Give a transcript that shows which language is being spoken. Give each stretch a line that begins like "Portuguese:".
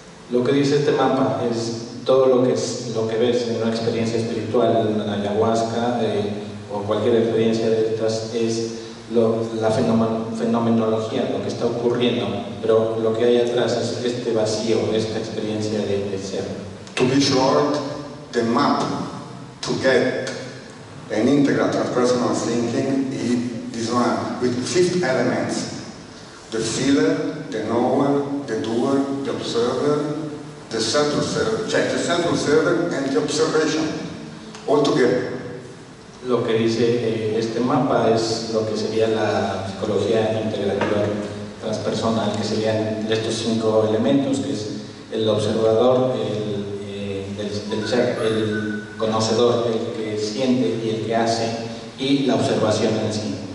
Spanish: Lo que dice este mapa es todo lo que ves en una experiencia espiritual, en una ayahuasca o cualquier experiencia de estas, es la fenomenología, lo que está ocurriendo. Pero lo que hay atrás es este vacío, esta experiencia de ser.
English: To be short, the map to get an integral transpersonal thinking is this one, with 5 elements. The feeler, the knower, the doer, the observer, the self-observer, check the self-observer and the observation, all together.
Spanish: Lo que dice este mapa es lo que sería la psicología integrativa transpersonal, que serían estos 5 elementos, que es el observador, el conocedor, el que siente y el que hace, y la observación en sí.